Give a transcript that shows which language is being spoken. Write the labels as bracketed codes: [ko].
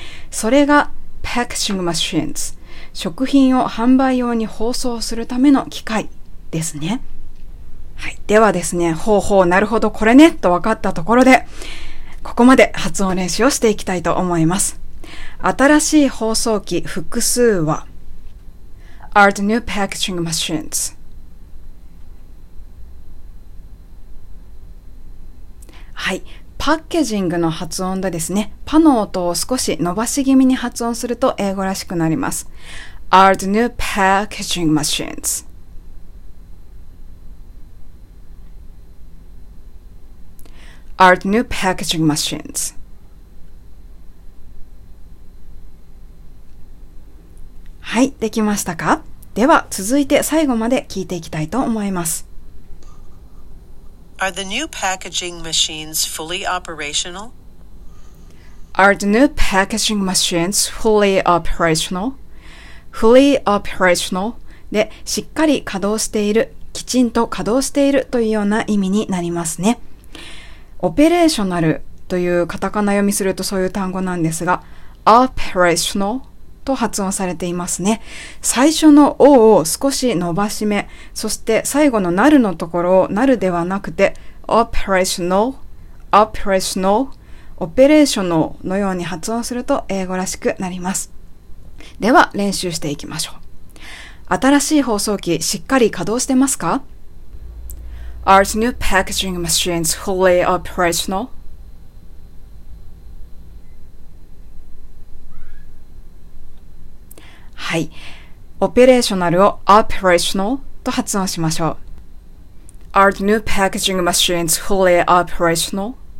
[ja] それが packaging machines、食品を販売用に包装するための機械ですね。はい。ではですね、ほうほう、なるほど、これね、と分かったところで、ここまで発音練習をしていきたいと思います。新しい包装機複数は、 [en] Are the new packaging machines? [ja] はい。パッケージングの発音でですね、パの音を少し伸ばし気味に発音すると英語らしくなります。 [en] Are the new packaging machines? Are the new packaging machines? [ja] はい、できましたか? では続いて最後まで聞いていきたいと思います。 [en] Are the new packaging machines fully operational? Are the new packaging machines fully operational? Fully operational [ja] で、しっかり稼働している、きちんと稼働しているというような意味になりますね。オペレーショナルというカタカナ読みするとそういう単語なんですが、operational と発音されていますね。最初の O を少し伸ばし目、そして最後のなるのところをなるではなくて、 [en] operational, operational [ja] オペレーションのように発音すると英語らしくなります。では練習していきましょう。新しい包装機しっかり稼働してますか？ [en] Are the new packaging machines fully operational? [ja] はい、オペレーショナルを operational と発音しましょう。 [en] Are the new packaging machines fully operational?